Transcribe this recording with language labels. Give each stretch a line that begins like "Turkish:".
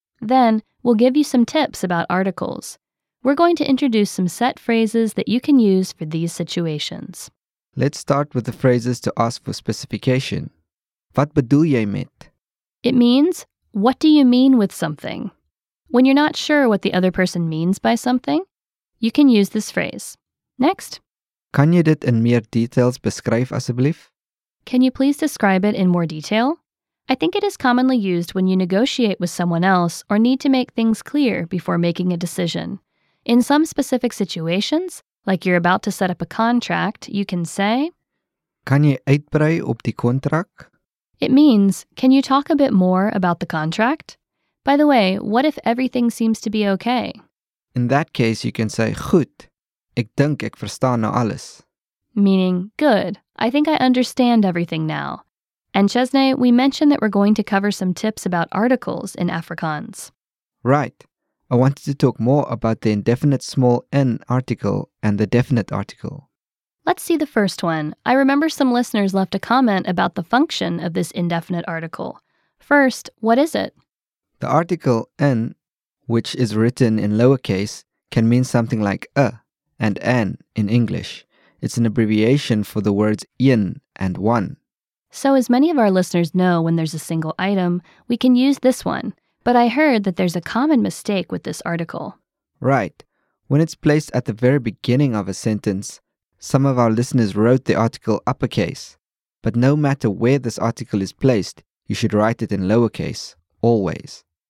English: Then, we'll give you some tips about articles. We're going to introduce some set phrases that you can use for these situations. Let's start with the phrases to ask for specification.
Afrikaans: Wat bedoel jy met?
English: It means, what do you mean with something? When you're not sure what the other person means by something, you can use this phrase. Next.
Afrikaans: Kan jy dit in meer details beskryf asseblief?
English: Can you please describe it in more detail? I think it is commonly used when you negotiate with someone else or need to make things clear before making a decision. In some specific situations, like you're about to set up a contract, you can say,
Afrikaans: Kan jy uitbrei op die kontrak?
English: It means, can you talk a bit more about the contract? By the way, what if everything seems to be okay? In that case, you can say,
Afrikaans: Goed, ek dink ek verstaan nou alles.
English: Meaning, good, I think I understand everything now. And Chesney, we mentioned that we're going to cover some tips about articles in Afrikaans. Right. I wanted to talk more about the indefinite small n article and the definite article. Let's see the first one. I remember some listeners left a comment about the function of this indefinite article. First, what is it? The article n, which is written in lowercase, can mean something like a and an in English. It's an abbreviation for the words een and one. So as many of our listeners know, when there's a single item, we can use this one. But I heard that there's a common mistake with this article. Right. When it's placed at the very beginning of a sentence, some of our listeners wrote the article uppercase. But no matter where this article is placed, you should write it in lowercase, always.